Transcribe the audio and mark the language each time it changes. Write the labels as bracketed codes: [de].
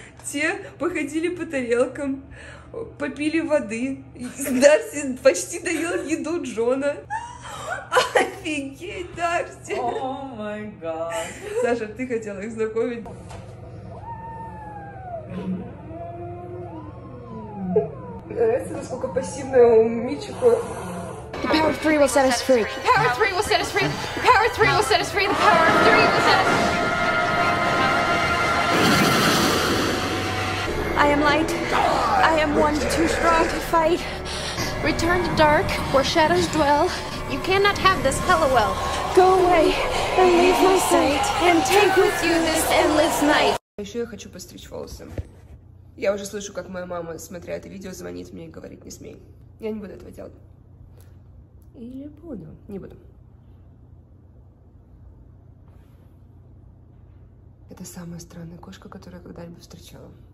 [ru] Те походили по тарелкам, попили воды. Да, почти доел еду Джона. Офигеть, Дарси! [en] О май гад! [ru] Саша, ты хотела их знакомить? Нравится, насколько пассивная у Мичико. [en] The power of three will set us free. The power of three will set us free. The power of three will set us free. The power of three will set us free. I am light. I am one too strong to fight. Return to dark, where shadows dwell. You cannot have this, Hellowell. Go away and leave my sight. And take with you this endless night. [ru] Еще я хочу постричь волосы. Я уже слышу, как моя мама, смотря это видео, звонит мне и говорит, не смей. Я не буду этого делать. Или буду? Не буду. Это самая странная кошка, которую я когда-либо встречала.